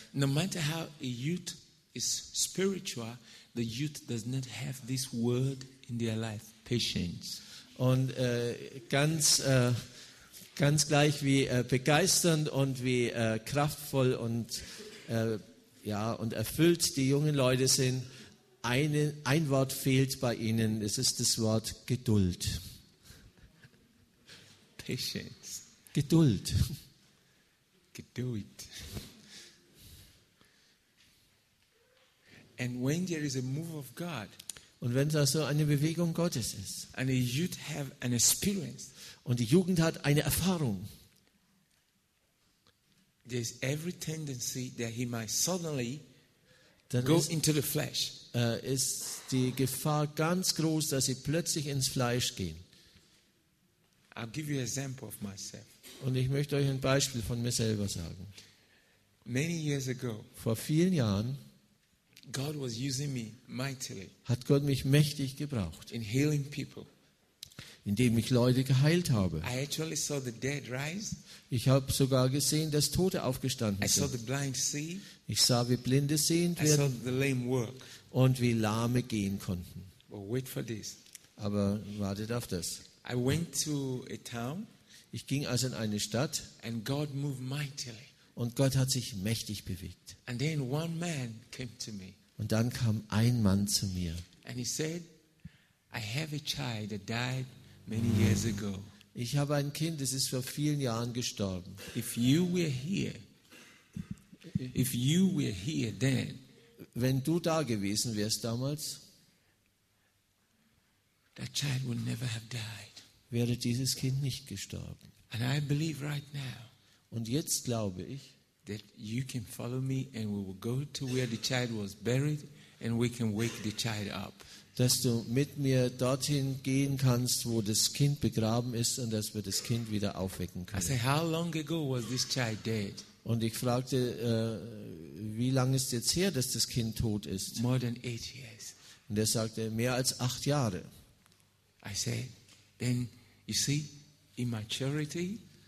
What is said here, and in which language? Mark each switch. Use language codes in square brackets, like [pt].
[en] No matter how a youth is spiritual, the youth does not have this word in their life, patience. [de] Und ganz gleich wie begeisternd und wie kraftvoll und erfüllt die jungen Leute sind, ein Wort fehlt bei ihnen, es ist das Wort Geduld. [en] Patience. [de] Geduld. Geduld. [en] And when there is a move of God, [de] und wenn da so eine Bewegung Gottes ist, [en] and a youth have an experience, [de] und die Jugend hat eine Erfahrung. [en] There's every tendency that he might suddenly go into the flesh. [de] Ist die Gefahr ganz groß, dass sie plötzlich ins Fleisch gehen. [en] I'll give you an example of myself. [de] Und ich möchte euch ein Beispiel von mir selber sagen. [en] Many years ago, [de] vor vielen Jahren, [en] God was using me mightily. [de] Hat Gott mich mächtig gebraucht. [en] In healing people. [de] Indem ich Leute geheilt habe. [en] I actually saw the dead rise. [de] Ich habe sogar gesehen, dass Tote aufgestanden sind. [en] I saw the blind see. [de] Ich sah, wie Blinde sehend werden. [en] I saw the lame work. [de] Und wie Lahme gehen konnten. [en] But wait for this. [de] Aber wartet auf das. [en] I went to a town, [de] ich ging also in eine Stadt. [en] And God moved mightily. [de] Und Gott hat sich mächtig bewegt. [en] And then one man came to me. [de] Und dann kam ein Mann zu mir. [en] And he said, I have a child that died many years ago. [de] Ich habe ein Kind, das ist vor vielen Jahren gestorben. [en] If you were here, if you were here then, [de] wenn du da gewesen wärst damals, [en] that child would never have died. [de] Wäre dieses Kind nicht gestorben. [en] And I believe right now, [de] und jetzt glaube ich, [en] that you can follow me and we will go to where the child was buried and we can wake the child up. [de] Dass du mit mir dorthin gehen kannst, wo das Kind begraben ist und dass wir das Kind wieder aufwecken können. [en] I said, how long ago was this child dead? [de] Und ich fragte, wie lange ist jetzt her, dass das Kind tot ist? [en] More than 8 years. [de] Und er sagte, mehr als 8 Jahre. [en] I said, then you see, in my charity,